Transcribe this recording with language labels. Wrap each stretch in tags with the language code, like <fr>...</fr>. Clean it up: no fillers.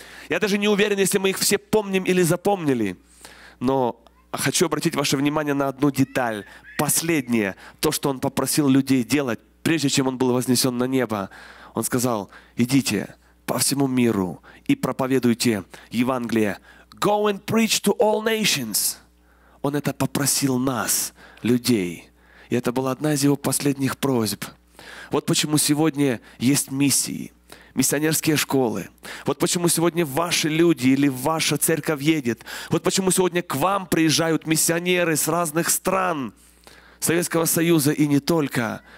<ru>Я даже не уверен, если мы их все помним или запомнили. Но хочу обратить ваше внимание на одну деталь. Последнее, то, что Он попросил людей делать, прежде чем Он был вознесен на небо. Он сказал, идите по всему миру и проповедуйте Евангелие.</ru> <en>Go and preach to all nations.</en> <ru>Он это попросил нас, людей. И это была одна из Его последних просьб. Вот почему сегодня есть миссии. Миссионерские школы. Вот почему сегодня ваши люди или ваша церковь едет. Вот почему сегодня к вам приезжают миссионеры с разных стран Советского Союза и не только.</ru>